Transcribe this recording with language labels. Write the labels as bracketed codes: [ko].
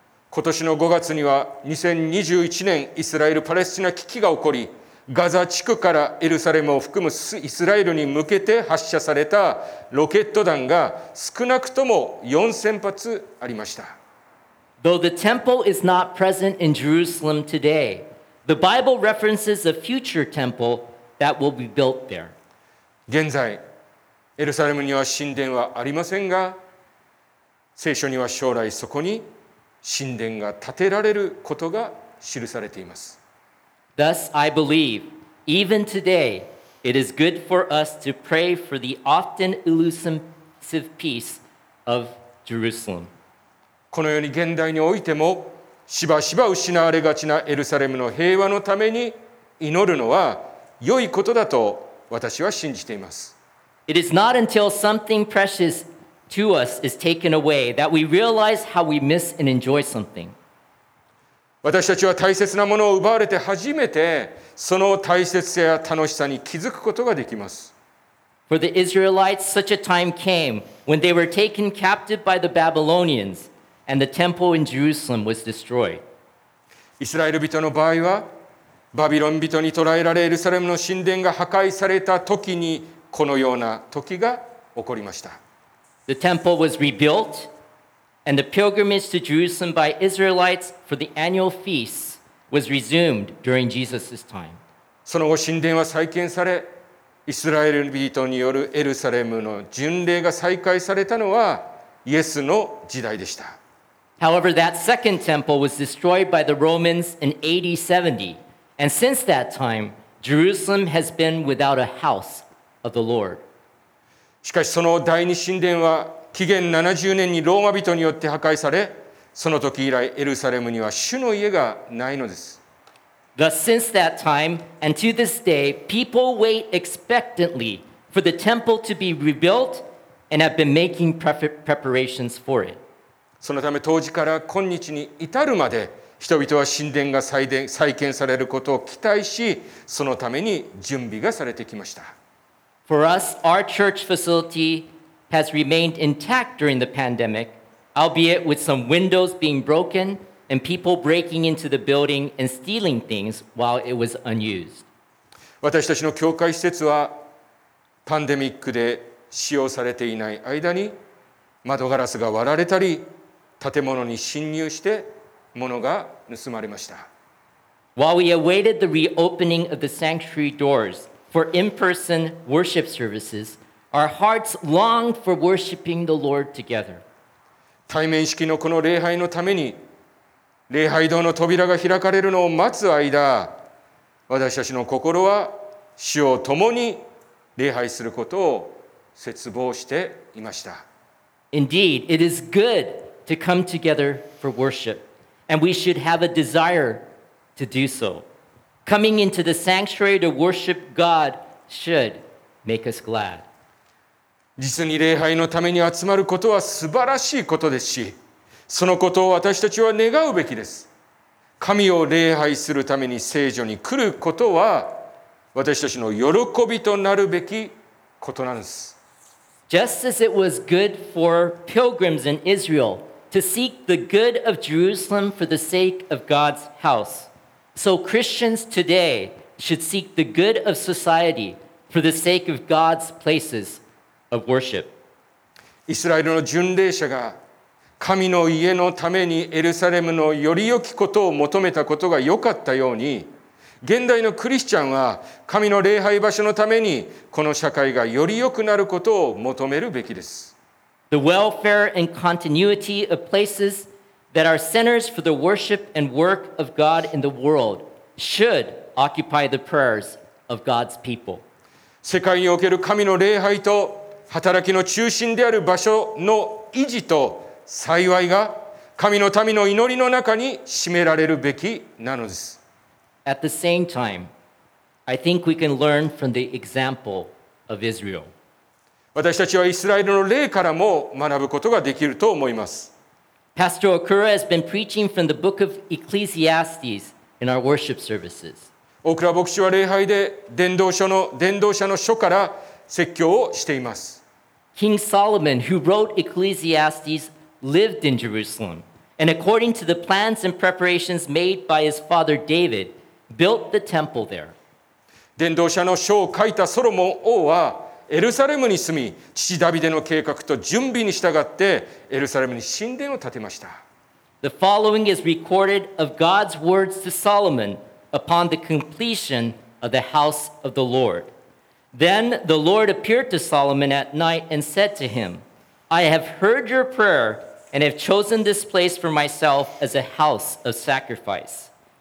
[ja] 今年の5月には2021年イスラエル・パレスチナ危機が起こり、ガザ地区からエルサレムを含むイスラエルに向けて発射されたロケット弾が少なくとも4000発ありました。 [en] Though the temple is not present in Jerusalem today, the Bible references a future temple that will be built there. [ja] 現在、エルサレムには神殿はありませんが、聖書には将来そこに神殿が建てられることが記されています。 [en] Thus, I believe, even today, it is good for us to pray for the often elusive peace of Jerusalem. [ja] このように現代においても、しばしば失われがちなエルサレムの平和のために祈るのは良いことだと私は信じています。 [en] It is not until something precious to us is taken away that we realize how we miss and enjoy something. [ja] 私たちは大切なものを奪われて初めてその大切さや楽しさに気づくことができます。 [en] For the Israelites, such a time came when they were taken captive by the Babylonians and the temple in Jerusalem was destroyed. [ja] イスラエル人の場合は、バビロン人に捕らえられエルサレムの神殿が破壊された時にこのような時が起こりました。 [en] The temple was rebuiltAnd the pilgrimage to Jerusalem by Israelites for the annual feast was resumed during Jesus' time. [ja] その後神殿は再建され、イスラエル人によるエルサレムの巡礼が再開されたのはイエスの時代でした。 [en] However, that second temple was destroyed by the Romans in AD 70, and since that time, Jerusalem has been without a house of the Lord. [ja] しかしその第二神殿は紀元70年にローマ人によって破壊され、その時以来エルサレムには主の家がないのです。 [en] Thus, since that time and to this day, people wait expectantly for the temple to be rebuilt and have been making preparations for it. [ja] そのため当時から今日に至るまで、人々は神殿が再建されることを期待し、そのために準備がされてきました。 [en] For us, our church facilityhas remained intact during the pandemic, albeit with some windows being broken and people breaking into the building and stealing things while it was unused. [ja] 私たちの教会施設はパンデミックで使用されていない間に窓ガラスが割られたり、建物に侵入して物が盗まれました。 [en] While we awaited the reopening of the sanctuary doors for in-person worship services, our hearts longed for worshiping the Lord together. [ja] 対面式のこの礼拝のために礼拝堂の扉が開かれるのを待つ間、私たちの心は主を共に礼拝することを切望していました。 [en] Indeed, it is good to come together for worship, and we should have a desire to do so. Coming into the sanctuary to worship God should make us glad. [ja] 実に礼拝のために集まることは素晴らしいことですし、そのことを私たちは願うべきです。神を礼拝するために聖所に来ることは私たちの喜びとなるべきことなんです。 [en] Just as it was good for pilgrims in Israel to seek the good of Jerusalem for the sake of God's house, so Christians today should seek the good of society for the sake of God's places of worship. [ja] イスラエルの巡礼者が神の家のためにエルサレムのより良きことを求めたことが良かったように、現代のクリスチャンは神の礼拝場所のためにこの社会がより良くなることを求めるべきです。 [en] The welfare and continuity of places that are centers for the worship and work of God in the world should occupy the prayers of God's people. [ja] 世界における神の礼拝と働きの中心である場所の維持と幸いが神の民の祈りの中に占められるべきなのです。 [en] At the same time, I think we can learn from the example of Israel. [ja] 私たちはイスラエルの例からも学ぶことができると思います。 [en] Pastor Okura has been preaching from the book of Ecclesiastes in our worship services. [ja] 大倉牧師は礼拝で伝道者の書から説教をしています。 [en] King Solomon, who wrote Ecclesiastes, lived in Jerusalem, and according to the plans and preparations made by his father David,Built the temple there. [ja] 伝道者の書を書いたソロモン王はエルサレムに住み、父ダビデの計画と準備に従ってエルサレムに神殿を建てました。 [en] The following is recorded of God's words to Solomon upon the completion of the house of the Lord. Then the Lord appeared to Solomon at night and said to him, I have heard your prayer and have chosen this place for myself as a house of sacrifice.